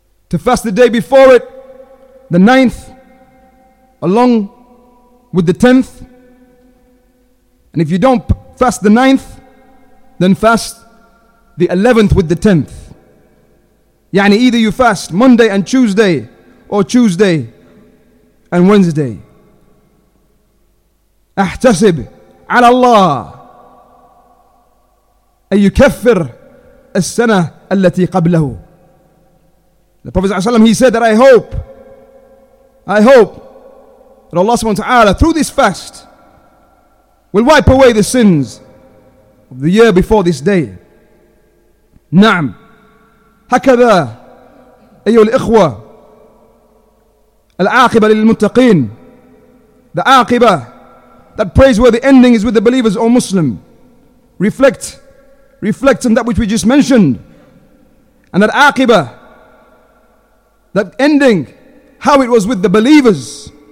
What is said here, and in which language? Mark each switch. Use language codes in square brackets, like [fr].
[en] To fast the day before it, the 9th, along with the 10th. And if you don't fast the 9th, then fast the 11th with the 10th. Yani either you fast Monday and Tuesday, or Tuesday and Wednesday. [ar] أحتسب على الله أن يكفر السنة التي قبله. [en] The Prophet ﷺ, he said that I hope that Allah subhanahu wa ta'ala, through this fast, will wipe away the sins of the year before this day. [ar] نعم. هكذا أيها الإخوة، العاقبة للمتقين. [en] The عاقبة, that praiseworthy ending, is with the believers, O Muslim. Reflect on that which we just mentioned. And that aqibah, that ending, how it was with the believers.